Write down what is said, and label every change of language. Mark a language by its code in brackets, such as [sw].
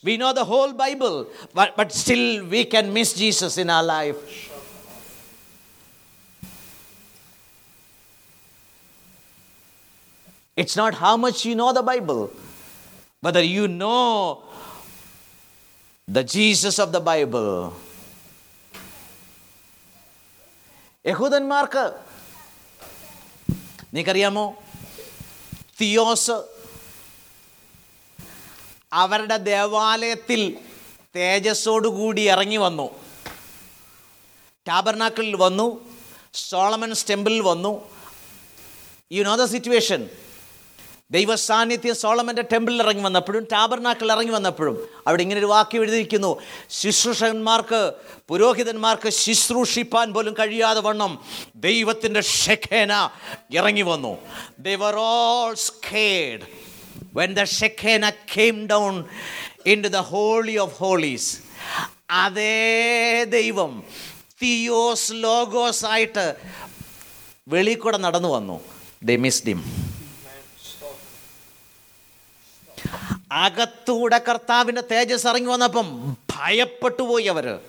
[en] We know the whole Bible, but still we can miss Jesus in our life. It's not how much you know the Bible, whether you know the Jesus of the Bible. [ml] യഹൂദന്മാർക്ക് നിനക്കറിയാമോ theos അവരുടെ ദേവാലയത്തിൽ തേജസ്സോടുകൂടി ഇറങ്ങി വന്നു. ടാബർനാക്കിളിൽ വന്നു, Solomon's ടെമ്പിളിൽ വന്നു. [en] You know the situation. [ml] ദൈവ സാന്നിധ്യം സോളമൻ്റെ ടെമ്പിളിൽ ഇറങ്ങി വന്നപ്പോഴും ടാബർനാക്കിളിൽ ഇറങ്ങി വന്നപ്പോഴും അവിടെ ഇങ്ങനെ ഒരു വാക്യം എഴുതിയിരിക്കുന്നു, ശുശ്രൂഷകന്മാർക്ക് പുരോഹിതന്മാർക്ക് ശുശ്രൂഷിപ്പാൻ പോലും കഴിയാതെ വണ്ണം ദൈവത്തിൻ്റെ ഷെഖേന ഇറങ്ങി വന്നു. [en] They were all scared when the Shekhinah came down into the Holy of Holies. [ml] അതേ ദൈവം തിയോസ് ലോഗോസ് ആയിട്ട് വെളിക്കൂടെ നടന്നു വന്നു. [en] They missed him. [ml] അകത്തൂടെ കർത്താവിൻ്റെ തേജസ് ഇറങ്ങി വന്നപ്പം ഭയപ്പെട്ടു പോയി അവർ.